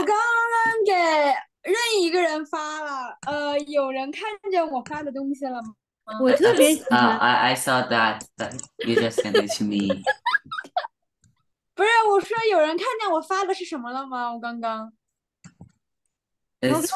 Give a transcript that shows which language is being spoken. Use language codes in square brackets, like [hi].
[zh] 我刚刚给任意一个人发了，有人看见我发的东西了吗？我特别喜欢。 [en] I saw that you just sent it to me. [zh] 不是，我说有人看见我发的是什么了吗？我刚刚。 [en] It's